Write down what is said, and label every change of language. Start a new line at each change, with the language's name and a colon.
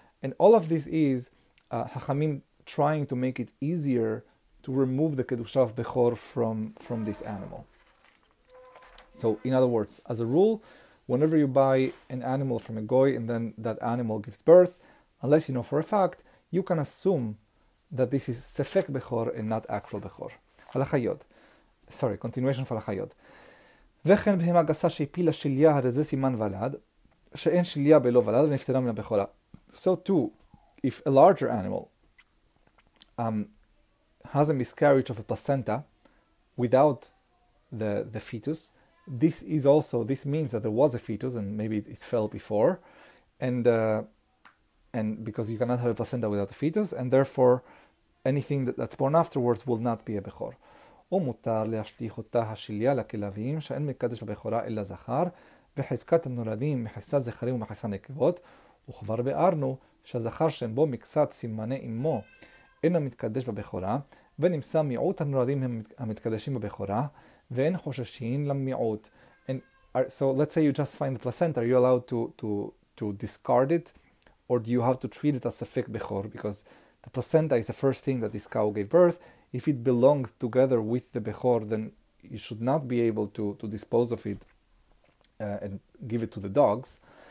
English: And all of this is Hachamim trying to make it easier to remove the Kedusha of Bechor from this animal. So in other words, as a rule, whenever you buy an animal from a goy and then that animal gives birth, unless you know for a fact, you can assume that this is sefek bechor and not actual bechor. Halacha yod. Sorry, continuation of Halachayot.
Hebrew: וכן בהמה גסה שהפילה שליה, הרי זה סימן ולד, שאין שליה בלא ולד, ונפטרה מן הבכורה.
English: So too, if a larger animal has a miscarriage of a placenta without the fetus, this is also, this means that there was a fetus and maybe it fell before, and because you cannot have a placenta without a fetus, and therefore anything that's born afterwards will not be a bechor.
Hebrew: ומותר להשליך אותה השליה לכלבים שאין מקדש בבכורה אלא זכר, וחזקת הנולדים מכסה זכרים ומכסה נקבות, וכבר ביארנו שהזכר שם בו מקצת סימני אמו אין המתקדש בבכורה, ונמצא מיעוט הנולדים הם המתקדשים בבכורה, ואין חוששים למיעוט.
English: So let's say you just find the placenta, are you allowed to discard it, or do you have to treat it as ספק בכור, because the placenta is the first thing that this cow gave birth. If it belonged together with the Bechor, then you should not be able to dispose of it and give it to the dogs.